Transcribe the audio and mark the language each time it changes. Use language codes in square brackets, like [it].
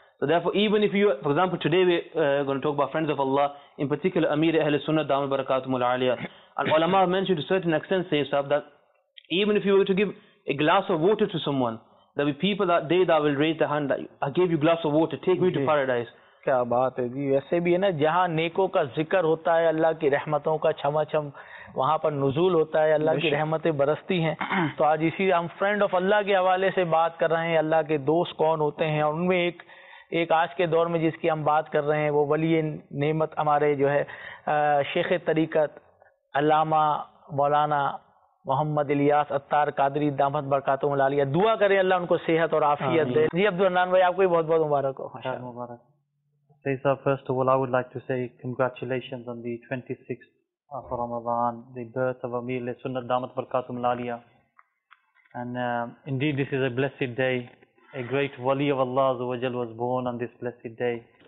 [en] So therefore, even if you, for example, today we're going to talk about friends of Allah, in particular Amir Ahl Sunnah Damul Barakatumul Aliyah. And ulama mentioned to a certain extent, say, Sahab, that even if you were to give a glass of water to someone, there'll be people that day that will raise their hand, that I gave you a glass of water, take me to paradise. [ur] کیا بات ہے جی ایسے بھی ہے نا جہاں نیکوں کا ذکر ہوتا ہے اللہ کی رحمتوں کا چھما چھم وہاں پر نزول ہوتا ہے اللہ کی رحمتیں برستی ہیں تو آج اسی ہم [en] friend of اللہ [ur] کے حوالے سے بات کر رہے ہیں اللہ کے دوست کون ہوتے ہیں اور ان میں ایک آج کے دور میں جس کی ہم بات کر رہے ہیں وہ ولی نعمت ہمارے جو ہے شیخ طریقت علامہ مولانا محمد الیاس اتار قادری دامت برکات و ملالیہ دعا کریں اللہ ان کو صحت اور عافیت دے جی عبدالرحمان بھائی آپ کو بھی بہت بہت مبارک ہو [en] Sir, first of all, I would like to say congratulations on the 26th of Ramadan, the birth of Amir Ahl Sunnah Damat Barakatum Laliyah. And indeed, this is a blessed day. A great Wali of Allah Azza wa Jal was born on this blessed day.